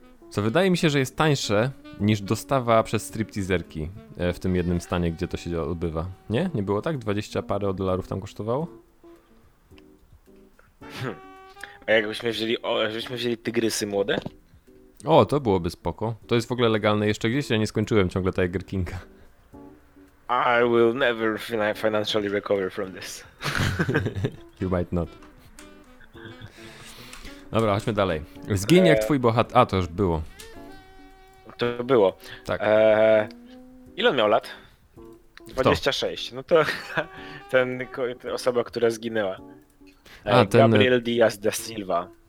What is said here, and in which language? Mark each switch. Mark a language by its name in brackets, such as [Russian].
[Polish] Co wydaje mi się, że jest tańsze niż dostawa przez stripteaserki w tym jednym stanie, gdzie to się odbywa. Nie? Nie było tak? 20 parę dolarów tam kosztowało? A jakbyśmy wzięli, tygrysy młode? O, to byłoby spoko. To jest w ogóle legalne jeszcze gdzieś? Ja nie skończyłem ciągle Tiger Kinga. [English] I will never financially recover from this. You might not. [Polish] Dobra, chodźmy dalej. Zginie jak twój bohater... A, to już było. To było. Tak. Ile on miał lat? 26. No to ta osoba, która zginęła. Gabriel Diaz da Silva.